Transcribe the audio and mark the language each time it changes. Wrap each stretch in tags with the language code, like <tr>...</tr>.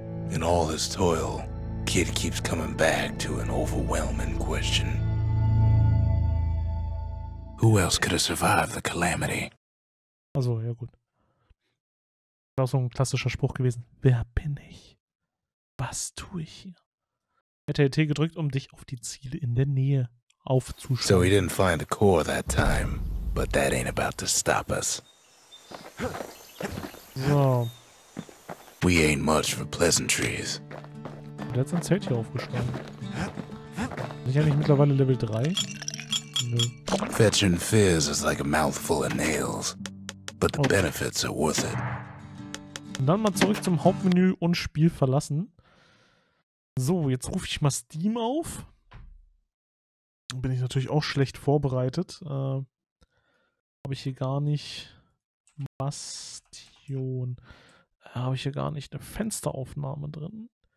<en>In all this toil, Kid keeps coming back to an overwhelming question. Who else could have survived the calamity?</en> <de>Also, ja gut. Das war so ein klassischer Spruch gewesen. Wer bin ich? Was tue ich hier? Hätte er T gedrückt, um dich auf die Ziele in der Nähe aufzuschauen.</de> <en>So he didn't find the core that time, but that ain't about to stop us. So. We ain't much for pleasantries.</en> <de>Und der hat sein Zelt hier aufgeschlagen. Bin ich eigentlich mittlerweile Level 3? Nö.</de> <en>Fetching fizz is like a mouthful of nails. But the benefits are worth it.</en> <de>Und dann mal zurück zum Hauptmenü und Spiel verlassen. So, jetzt rufe ich mal Steam auf. Bin ich natürlich auch schlecht vorbereitet. Habe ich hier gar nicht... Bastion. Habe ich hier gar nicht eine Fensteraufnahme drin.</de>